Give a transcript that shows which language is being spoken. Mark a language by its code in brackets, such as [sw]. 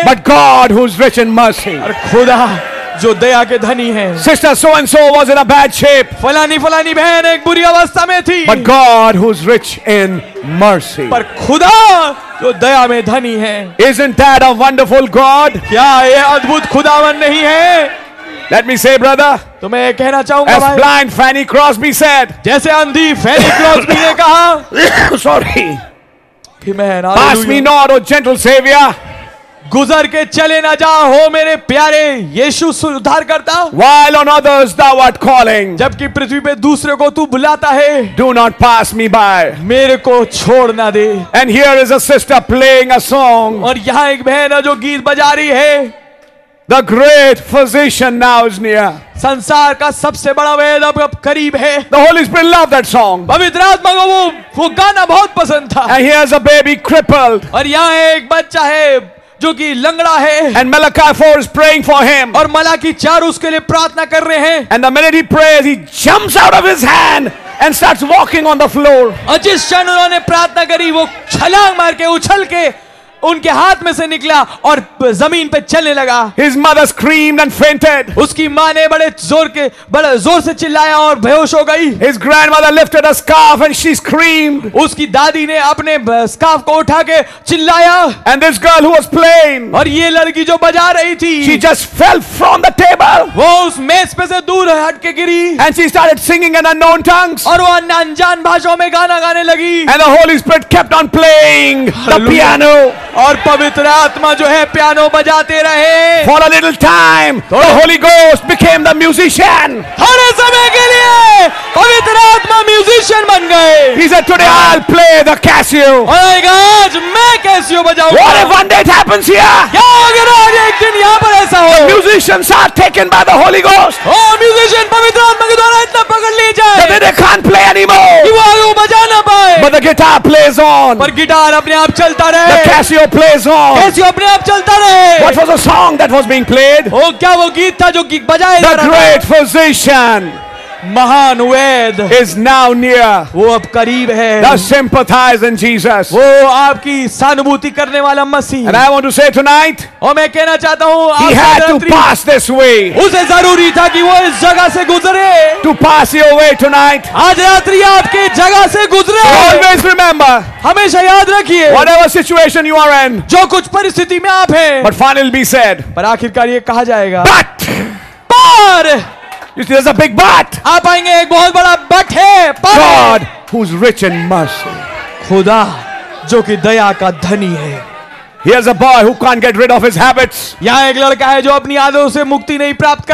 [en] But God, who's rich in mercy. [hi] और खुदा जो दया के धनी है. [en] Sister so and so was in a bad shape. [hi] फलानी फलानी बहन एक बुरी अवस्था में थी. [en] But God, who's rich in mercy. [hi] पर खुदा जो दया में धनी है. [en] Isn't that a wonderful God? [hi] क्या ये अद्भुत खुदावन नहीं है? [en] Let me say, brother. [hi] तो मैं कहना चाहूंगा. [en] As blind Fanny Crosby said. [hi] जैसे अंधी फैनी क्रॉसबी ने कहा. [en] Sorry. Amen. Pass me not, O gentle Savior. [hi] गुजर के चले ना जा हो मेरे प्यारे यीशु सुधार करता. [en] While on others thou art calling. [hi] जबकि पृथ्वी पे दूसरे को तू बुलाता है. [en] Do not pass me by. [hi] मेरे को छोड़ ना दे. [en] And here is a sister playing a song. [hi] और यहाँ एक बहन है जो गीत बजा रही है. [en] The great physician now is near. [hi] संसार का सबसे बड़ा वैद्य अब करीब है. [en] The Holy Spirit loved that song. [hi] पवित्र आत्मा को वो गाना बहुत पसंद था. [en] And here is a baby crippled. [hi] और यहाँ एक बच्चा है जो कि लंगड़ा है. [en] And Malachi 4 is praying for him. [hi] और मलाकी 4 उसके लिए प्रार्थना कर रहे हैं. [en] And the minute he prays, he jumps out of his hand and starts walking on the floor. [hi] और जिस क्षण उन्होंने प्रार्थना करी वो छलांग मार के उछल के उनके हाथ में से निकला और जमीन पे चलने लगा. [en] His mother screamed and fainted. [hi] उसकी माँ ने बड़े जोर से चिल्लाया और बेहोश हो गई. [en] His grandmother lifted a scarf and she screamed. [hi] उसकी दादी ने अपने स्कार्फ को उठा के चिल्लाया. [en] And this girl who was playing. [hi] और ये लड़की जो बजा रही थी. [en] She just fell from the table. [hi] वो उस मेज पे से दूर हट के गिरी. [en] And she started singing in unknown tongues. [hi] और वो अनजान भाषाओं में गाना गाने लगी. [en] And the Holy Spirit kept on playing the piano. [hi] और पवित्र आत्मा जो है पियानो बजाते रहे. [en] For a little time, the Holy Ghost became the musician. [hi] थोड़े समय के लिए पवित्र आत्मा म्यूजिशियन बन गए. [en] He said, "Today I'll play the Casio." [hi] और आज मैं Casio बजाऊंगा. [en] What if one day it happens here? [hi] क्या अगर आज एक दिन यहाँ पर ऐसा हो? [en] The musicians are taken by the Holy Ghost. [hi] और म्यूजिशियन पवित्र आत्मा के द्वारा इतना पकड़ लिए जाए. [en] That they can't play anymore. [hi] वो आगे बजा ना पाए. [en] But the guitar plays on. [hi] पर गिटार अपने आप चलता रहे. [en] Casio plays on. [hi] Casio अपने आप चलता रहे. [en] What was the song that was being played? [hi] ओ क्या वो गीत था जो बजाया जा रहा था? [en] The great physician. [hi] महान वैद्य. [en] Is now near. [hi] वो अब करीब है. [en] The sympathizing Jesus. [hi] वो आपकी सहानुभूति करने वाला मसीह. [en] And I want to say tonight. [hi] और मैं कहना चाहता हूँ. [en] He had to pass this way. [hi] उसे जरूरी था कि वो इस जगह से गुजरे. [en] To pass your way tonight. [hi] आज रात्रि आपके जगह से गुजरे. [en] Always remember. [hi] हमेशा याद रखिए. [en] Whatever situation you are in. [hi] जो कुछ परिस्थिति में आप हैं. [en] But finally be said. [hi] पर आखिरकार ये कहा जाएगा. [en] But. [hi] पर. [en] You see, there's a big but. [hi] आप आएंगे एक बहुत बड़ा but है. [en] God, who's rich in mercy. [hi] खुदा, जो कि दया का धनी है. [en] Here's a boy who can't get rid of his habits. [hi] यहाँ एक लड़का है जो अपनी आदतों से मुक्ति नहीं प्राप्त कर